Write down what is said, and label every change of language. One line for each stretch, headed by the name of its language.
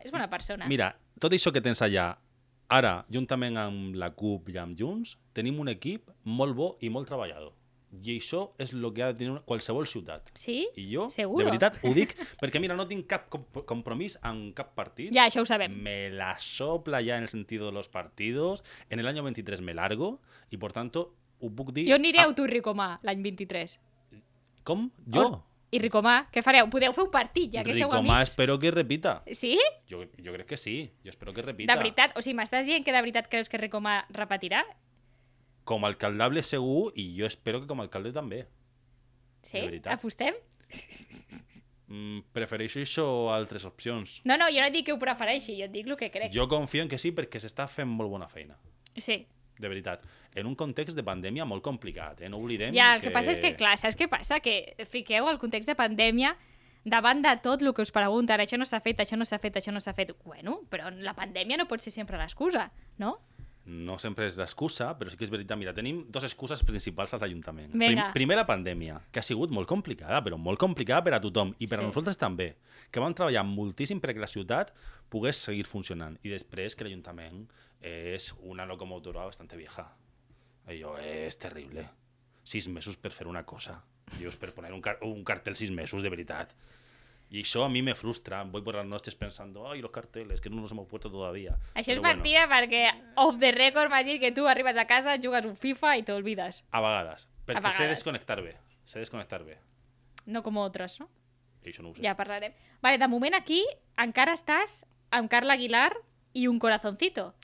Catalan: És bona persona. Mira, tot això que tens allà, ara, juntament amb la CUP i amb Junts, tenim un equip molt bo i molt treballador. I això és el que ha de tenir qualsevol ciutat. Sí? I jo, seguro, de veritat, ho dic, perquè mira, no tinc cap compromís amb cap partit. Ja, això ho sabem.
Spanish: Me la sopla ja en el sentit de los partidos. En el año 23 me largo y, por tanto,
Catalan: ho puc dir... Jo aniré a Torricomà l'any 23. Com? Jo? I Ricomà, què fareu? Podeu fer un partit, ja que sou amics. Ricomà, espero que repita. Sí? Jo crec que sí. Jo espero que repita. De veritat? O sigui, m'estàs dient que de veritat creus que Ricomà repetirà? Com a alcaldable segur, i jo espero que com a alcalde també. Sí? Apostem? Prefereixo això o altres opcions? No, jo no dic que ho prefereixi, jo dic el que crec. Jo confio en que sí, perquè s'està fent molt bona feina. Sí. De veritat. En un context de pandèmia molt complicat, no oblidem. Ja, el que passa és que, clar, saps què passa? Que fiqueu el context de pandèmia davant de tot el que us pregunten. Això no s'ha fet, això no s'ha fet, això no s'ha fet. Bueno, però la pandèmia no pot ser sempre l'excusa, no? No sempre és l'excusa, però sí que és veritat. Mira, tenim dues excuses principals a l'Ajuntament. Primer, la pandèmia, que ha sigut molt complicada, però molt complicada per a tothom i per a nosaltres també, que vam treballar moltíssim perquè la ciutat pogués seguir funcionant. I després, que l'Ajuntament és una locomotora
Spanish: bastante vieja.
Catalan: I jo, és terrible. 6 mesos per fer una cosa. Dius, per posar un cartel 6 mesos, de veritat. I això a mi me frustra.
Spanish: Voy por las noches pensando, ay, los carteles, que no nos hemos puesto todavía.
Catalan: Això és mentida, perquè
English: off the record
Catalan: m'has dit que tu arribes a casa, jugues un FIFA i t'olvides. A vegades. Perquè sé desconectar bé. Sé desconectar bé. No com altres, no? Això no ho sé. Ja parlarem. Vale, de moment aquí encara estàs amb Carla Aguilar i
Spanish: un corazoncito.